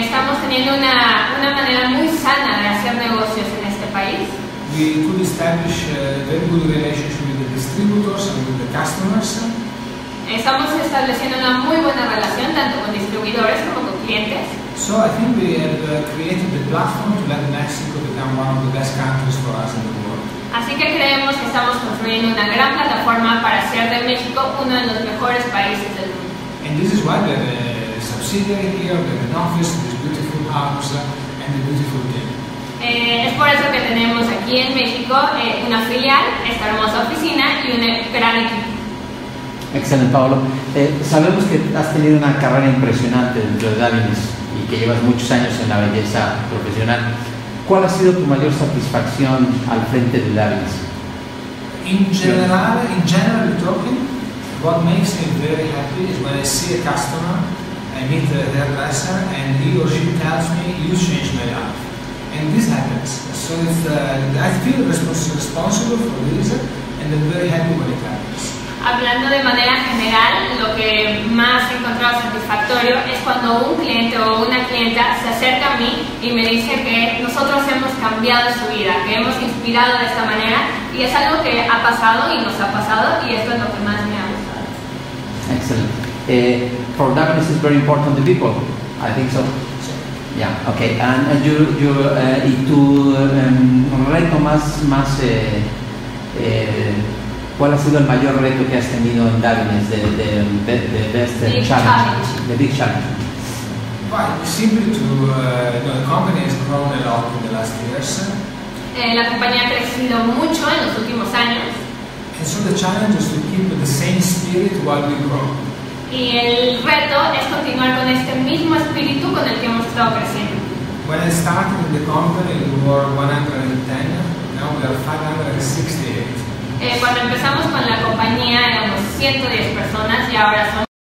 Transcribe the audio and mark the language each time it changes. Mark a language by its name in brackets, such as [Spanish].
[Spanish] Estamos teniendo una manera muy sana de hacer negocios en este país. [English] We could establish a very good relationship with the distributors and with the customers. [Spanish] Estamos estableciendo una muy buena relación tanto con distribuidores como con clientes. [English] So I think we have created the platform to let Mexico become one of the best countries for us in the world. [Spanish] Así que creemos que estamos construyendo una gran plataforma para hacer de México uno de los mejores países del mundo. [English] And this is why we have a subsidiary here, we have an office, this beautiful house, and a beautiful team. [Spanish] Es por eso que tenemos aquí en México una filial, esta hermosa oficina y un gran equipo. Excelente, Paolo. Sabemos que has tenido una carrera impresionante dentro de Davines y que llevas muchos años en la belleza profesional. ¿Cuál ha sido tu mayor satisfacción al frente de Davines? [English] In general talking, what makes me very happy is when I see a customer, I meet the hairdresser, and he or she tells me, you changed my life. And this happens. So I feel responsible for this, and I'm very happy when it happens. A [Spanish] hablando de manera general, lo que más he encontrado satisfactorio es cuando un cliente o una clienta se acerca a mí y me dice que nosotros hemos cambiado su vida, que hemos inspirado de esta manera, y es algo que ha pasado y nos ha pasado, y esto es lo que más me ha gustado. [English] Excellent. For that, this is very important to people. I think so. Yeah. Okay. And [Spanish] ¿cuál ha sido el mayor reto que has tenido en Davines? [English] The big challenge. Well, simply the company has grown a lot in the last years. [Spanish] La compañía ha crecido mucho en los últimos años. [English] And so the challenge is to keep the same spirit while we grow. [Spanish] Y el reto es continuar con este mismo espíritu con el que hemos estado creciendo. [English] When I started the company, we were 110. Now we are 568. [Spanish] Cuando empezamos con la compañía éramos 110 personas y ahora son.